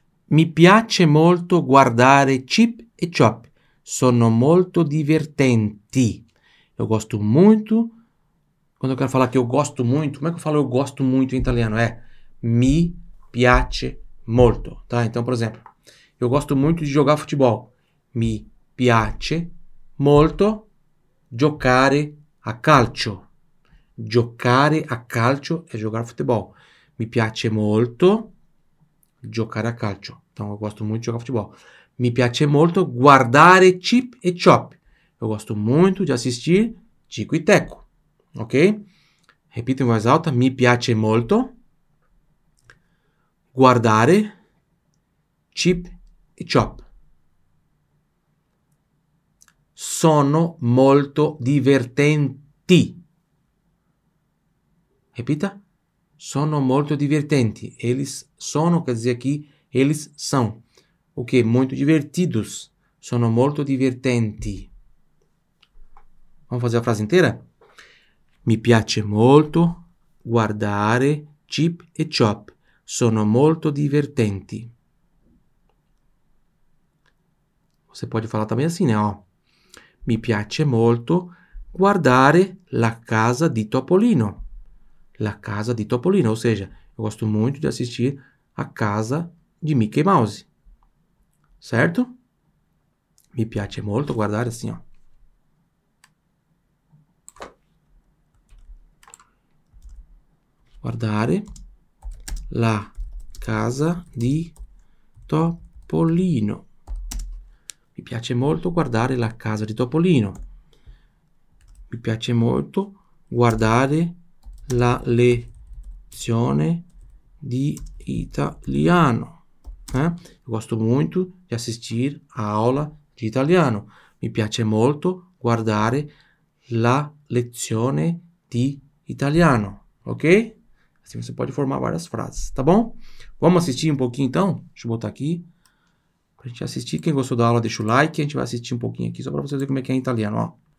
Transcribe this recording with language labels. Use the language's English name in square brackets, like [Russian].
[Italian] Mi piace molto guardare Chip e Chop. Sono molto divertenti. [Portuguese] Eu gosto muito. Quando eu quero falar que eu gosto muito, como é que eu falo eu gosto muito em italiano? [Italian] É mi piace molto, tá? [Portuguese] Então, por exemplo, eu gosto muito de jogar futebol. [Italian] Mi piace molto giocare a calcio. Giocare a calcio è giocare a futebol. Mi piace molto giocare a calcio. [Portuguese] Então, eu gosto muito de jogar futebol. [Italian] Mi piace molto guardare Chip e Chop. [Portuguese] Eu gosto muito de assistir Chico e Teco. Ok? [Italian] Repito in voce alta, mi piace molto guardare Chip e Chop. Sono molto divertenti. Repita. Sono molto divertenti. [Portuguese] Eles sono, quer dizer aqui, eles são. O okay, che? Molto divertidos. [Italian] Sono molto divertenti. [Portuguese] Vamos fazer a frase inteira? [Italian] Mi piace molto guardare Chip e Chop. Sono molto divertenti. [Portuguese] Você pode falar também assim, né? Ó. [Italian] Mi piace molto guardare la casa di Topolino. La casa di Topolino, [Portuguese] ou seja, eu gosto muito de assistir a casa di Mickey Mouse. Certo? [Italian] Mi piace molto guardare assim, ó. Guardare la casa di Topolino. Mi piace molto guardare la casa di Topolino. Mi piace molto guardare la lezione di italiano. [Portuguese] Gosto molto di assistere a aula di italiano. [Italian] Mi piace molto guardare la lezione di italiano. [Portuguese] Ok? Assim você pode formar várias frases, tá bom? Vamos assistir um pouquinho então? Deixa eu botar aqui. Pra gente assistir. Quem gostou da aula, deixa o like. A gente vai assistir um pouquinho aqui só pra você ver como é que é em italiano, ó.